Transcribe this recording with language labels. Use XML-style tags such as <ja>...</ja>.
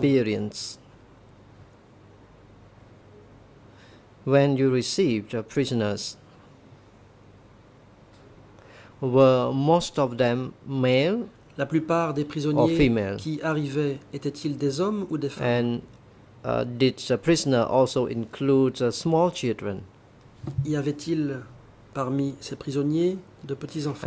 <en>Experience, when you received prisoners, were most of them male?</en> <fr>La plupart des prisonniers qui arrivaient étaient-ils des hommes ou des femmes?</fr> <en>And did the prisoner also include small children?</en> <fr>Y avait-il parmi ces prisonniers de petits enfants?</fr>